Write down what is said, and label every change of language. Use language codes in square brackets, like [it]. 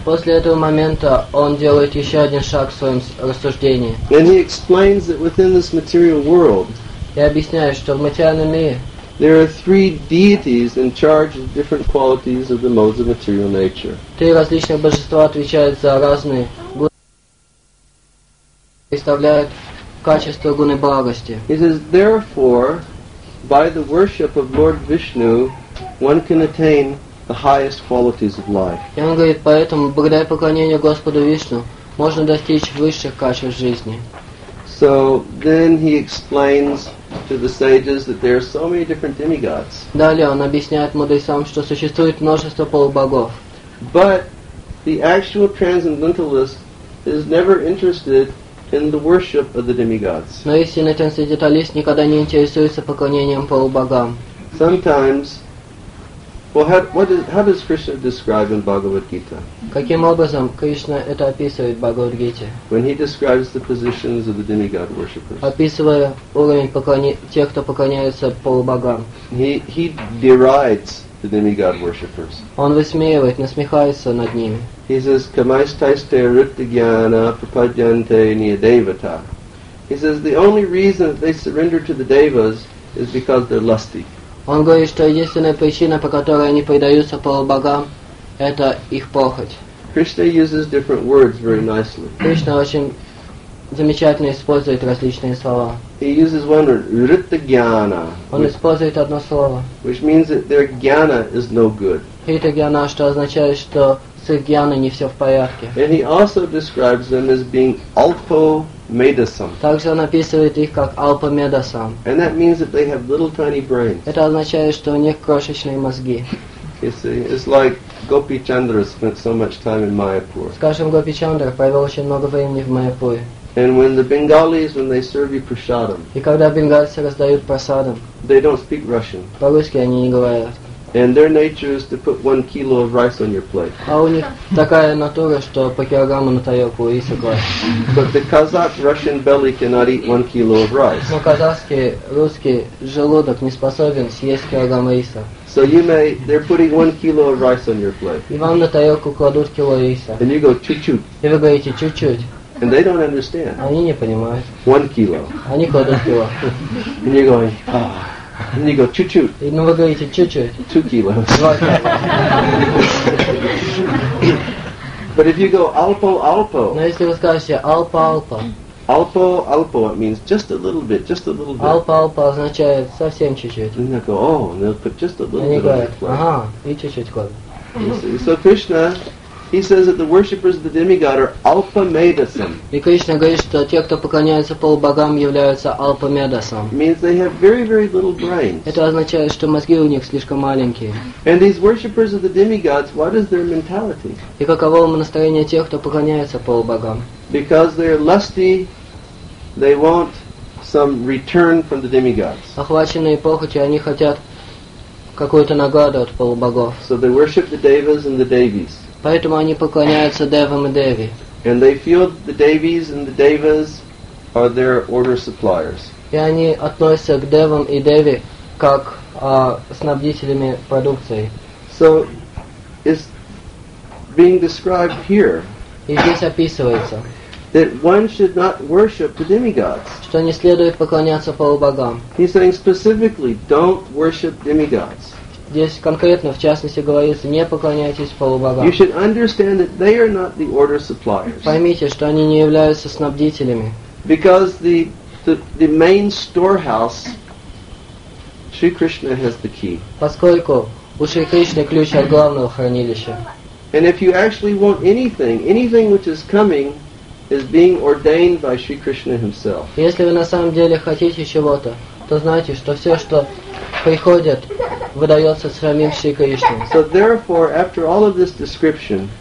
[ru] После этого момента он делает еще один шаг в своем рассуждении. [en] And he explains that within this material world, [ru] я объясняю, что в материальном мире [en] there are three deities in charge of different qualities of the modes of material nature. [ru] Три различных божества отвечают за разные гуны, представляют качество гуны благости. [en] He says, therefore, by the worship of Lord Vishnu, one can attain the highest qualities of life. [ru] И он говорит, поэтому, благодаря поклонению Господу Вишну, можно достичь высших качеств жизни. [en] So then he explains to the sages that there are so many different demigods. [ru] Далее он объясняет мудрецам, что существует множество полубогов. [en] But the actual transcendentalist is never interested in the worship of the demigods. [ru] Но истинный трансценденталист никогда не интересуется поклонением полубогам. [en] Sometimes, well, how does Krishna describe in Bhagavad Gita? [ru] Каким образом Кришна это описывает в Бхагавад Гите? [en] When he describes the positions of the demigod worshippers. [ru] Описывая уровень тех, кто поклоняется полубогам. [en] He derides the demigod worshippers. [ru] Он высмеивает, насмехается над ними. [en] He says, [sa] "Kamaistaiste rittigyana prapadyante niyadevata." [en] He says, the only reason that they surrender to the devas is because they're lusty. [ru] Он говорит, что единственная причина, по которой они предаются полубогам, это их похоть. [en] Krishna uses different words very nicely. [ru] Кришна очень замечательно использует различные слова. [en] He uses one word, rittigyana. [ru] Он использует одно слово. [en] Which means that their jnana is no good. [ru] Rittigyana, что означает, что с их гьяной не все в порядке. [en] And he also describes them as being alpo medasam. [ru] Также он описывает их как alpo medasam. [en] And that means that they have little tiny brains. [ru] Это означает, что у них крошечные мозги. [en] You see, it's like Gopi Chandra spent so much time in Mayapur. [ru] Скажем, Гопи Чандра провел очень много времени в Майяпуре. [en] And when the Bengalis, when they serve you prasadam, [ru] и когда бенгальцы раздают прасадам, [en] they don't speak Russian. [ru] По-русски они не говорят. [en] And their nature is to put 1 kilo of rice on your plate. [ru] А у них такая натура, что по килограмму на тарелку риса класть. [en] But the Kazakh Russian belly cannot eat 1 kilo of rice. [ru] Но казахский русский желудок не способен съесть килограмм риса. [en] So you may, they're putting 1 kilo of rice on your plate. [ru] И вам на тарелку кладут кило риса. [en] And you go [ru] чуть-чуть. И вы говорите чуть-чуть. [en] And they don't understand. [ru] Они не понимают. [en] 1 kilo. [ru] Они кладут кило. [en] And you're going, ah. Oh. And you go [ru] чуть-чуть. И ну вы говорите чуть-чуть. [en] 2 kilos. But if you go alpo alpo. [ru] Но если вы скажете alpo alpo. [en] Alpo alpo it means just a little bit, just a little bit. [ru] Alpo alpo означает совсем чуть-чуть. [en] And they go, oh, and they'll put just a little [ru] они [en] bit. [ru] Они говорят, ага, и чуть-чуть кладут. [en] So Krishna, he says that the worshippers of the demigod are alpa medasam. [ru] И Кришна говорит, что те, кто поклоняются полубогам, являются alpa medasam. [en] Means they have very, very little brains. [ru] Это означает, что мозги у них слишком маленькие. [en] And these worshippers of the demigods, what is their mentality? [ru] И каково настроение тех, кто поклоняется полубогам? [en] Because they're lusty, they want some return from the demigods. [ru] Охваченные похотью, они хотят какую-то награду от полубогов. [en] So they worship the devas and the devis. [ru] Поэтому они поклоняются девам и деви. [en] And they feel the devis and the devas are their order suppliers. [ru] И они относятся к девам и деви как снабдителями продукции. [en] So it's being described here. [ru] И здесь описывается. [en] That one should not worship the demigods. [ru] Что не следует поклоняться полубогам. [en] He's saying specifically, don't worship demigods. [ru] Здесь конкретно, в частности, говорится, не поклоняйтесь полубогам. [en] You should understand that they are not the order suppliers. [ru] Поймите, что они не являются снабдителями. [en] Because the main storehouse, Sri Krishna has the key. [ru] Поскольку у Шри Кришны ключ от главного хранилища. [en] And if you actually want anything, anything which is coming, is being ordained by Sri Krishna himself. [ru] Если вы на самом деле хотите чего-то, то знайте, что все, что приходит, выдается самим Шри Кришной. [en] So therefore, after all of this description,